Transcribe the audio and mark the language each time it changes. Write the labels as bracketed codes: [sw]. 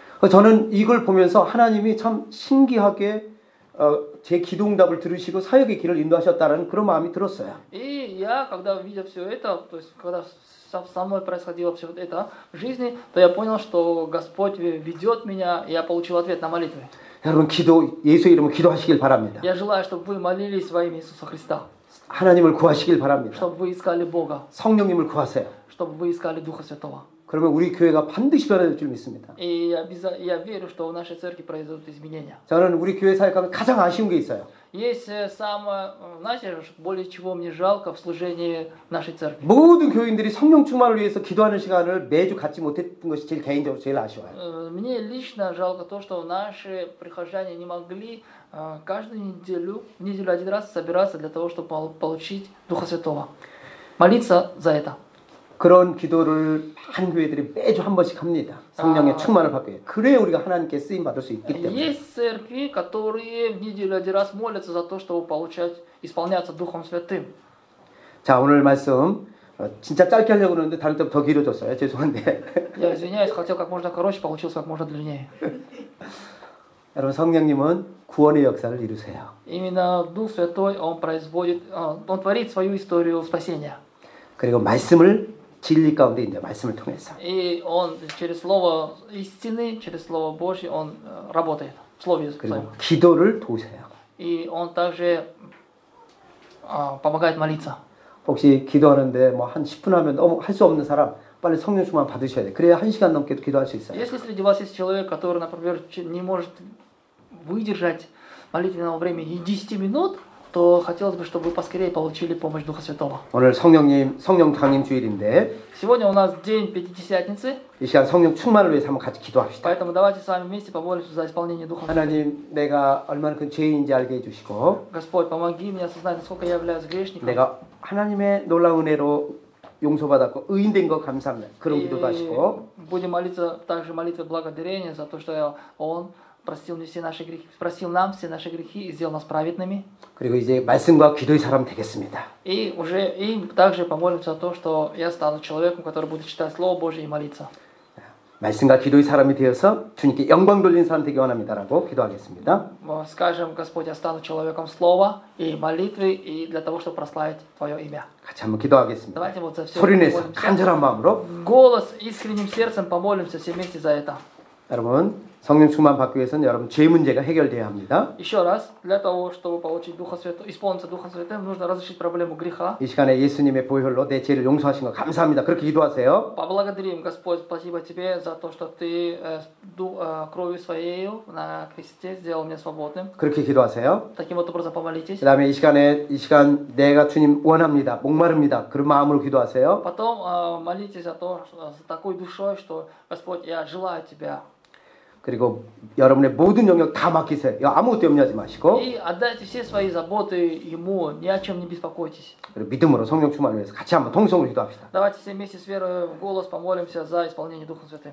[ko] 저는 이걸 보면서 하나님이 참 신기하게 제 기도응답을 들으시고 사역의 길을 인도하셨다는 그런 마음이 들었어요. [ru] 이 я когда видел всё это, то есть когда со мной происходило все вот это в жизни, то я понял, что Господь ведет меня, и я получил ответ на молитвы. [ko] 여러분, 기도, 예수 이름으로 기도하시길 바랍니다. [ru] Я желаю, чтобы вы молились во имя Иисуса Христа. [ko] 하나님을 구하시길 바랍니다. [ru] Чтобы вы искали Бога. [ko] 성령님을 구하세요. [ru] Чтобы вы искали Духа Святого. [ko] 그러면 우리 교회가 반드시 변화될 줄 믿습니다. [ru] я верю, что в нашей церкви произойдут изменения. [ko] 저는 우리 교회 사역하면 가장 아쉬운 게 있어요. [ru] Есть самое, знаете, более чего мне жалко в служении нашей церкви. [ko] 모든 교인들이 성령 충만을 위해서 기도하는 시간을 매주 갖지 못했던 것이 제일 개인적으로 제일 아쉬워요. [ru] Мне лично жалко то, что наши прихожане не могли каждую неделю, один раз собираться для того, чтобы получить Духа Святого. Молиться за это. [ko] 그런 기도를 한 교회들이 매주 한 번씩 합니다. 성령의 충만을 받게. 그래야 우리가 하나님께 쓰임 받을 수 있기 때문에. [ru] Есть церкви, которые в неделю один раз молятся за то, чтобы получать исполняться Духом Святым. [ko] 자, 오늘 말씀 진짜 짧게 하려고 했는데 다른 때부터 더 길어졌어요. 죄송한데. [ru] Я извиняюсь, хотел как можно короче, получилось как можно длиннее. [ko] 여러분, 성령님은 구원의 역사를 이루세요. [ru] Именно Дух Святой он производит, он творит свою историю спасения. [ko] 그리고 말씀을 진리 가운데 이제 말씀을 통해서. [ru] 이 он через слово истины, через слово Божье он работает. Слово Божье. [ko] 그리고 기도를 도우세요. [ru] 이 он также помогает молиться. [ko] 혹시 기도하는데 뭐 한 10분 하면 너무 할 수 없는 사람 빨리 성령 충만 받으셔야 돼. 그래야 한 시간 넘게도 기도할 수 있어요. [ru] Если среди вас есть человек, который, например, не может выдержать молитвенного времени 10 минут, то хотелось бы, чтобы вы поскорее получили помощь Духа Святого. [ko] 오늘 성령님, 성령강림 주일인데. [ru] Сегодня у нас день Пятидесятницы. [ko] 이 시간 성령 충만을 위해서 한번 같이 기도합시다. [ru] Поэтому давайте с вами вместе помолимся за исполнение Духа Святого. [ko] 하나님, 내가 얼마나 큰 죄인인지 알게 해주시고. [ru] Господь, помоги мне осознать, насколько я являюсь грешником. [ko] 내가 하나님의 놀라운 은혜로 용서받았고 의인된 거 감사합니다. 그런 기도도 하시고. [ru] Будем молиться также молитвы благодарения за то, что я он простил мне все наши грехи, простил нам все наши грехи и сделал нас праведными. [ko] 그리고 이제 말씀과 기도의 사람 되겠습니다. [ru] И уже и также помолимся о том, что я стану человеком, который будет читать слово Божье и молиться. [ko] 말씀과 기도의 사람이 되어서 주님께 영광 돌린 사람 되기 원합니다라고 기도하겠습니다. [ru] Скажем, Господь, я стану человеком слова и молитвы и для того, чтобы прославить Твое имя. [ko] 같이 한번 기도하겠습니다. [ru] Давайте вот за все. [ko] 소리 내서 간절한 마음으로. [ru] Голос искренним сердцем помолимся все вместе за это. [ko] 여러분, 성령 충만 받기 위해서는 여러분 죄 문제가 해결돼야 합니다. [ru] Еще раз, для того, чтобы получить Духа Святого, исполниться Духом Святым, нужно разрешить проблему греха. [ko] 이 시간에 예수님의 보혈로 내 죄를 용서하신 거 감사합니다. 그렇게 기도하세요. [ru] Поблагодарим Господь, спасибо тебе за то, что ты кровью своей на кресте сделал меня свободным. [ko] 그렇게 기도하세요. [ru] Таким вот образом помолитесь. [ko] 그다음에 이 시간에 이 시간 내가 주님 원합니다. 목마릅니다. 그런 마음으로 기도하세요. [ru] Потом молитесь о том, с такой душой, что Господь, я желаю тебя. [ko] 그리고 여러분의 모든 영역 다 맡기세요. 아무것도 염려하지 마시고. [ru] 이 отдайте все свои заботы ему, ни о чем не беспокойтесь. [ko] 그리고 믿음으로 성령 충만을 위해서 같이 한번 통성으로 기도합시다. [ru] Давайте все вместе с верой в голос помолимся за исполнение Духа Святым.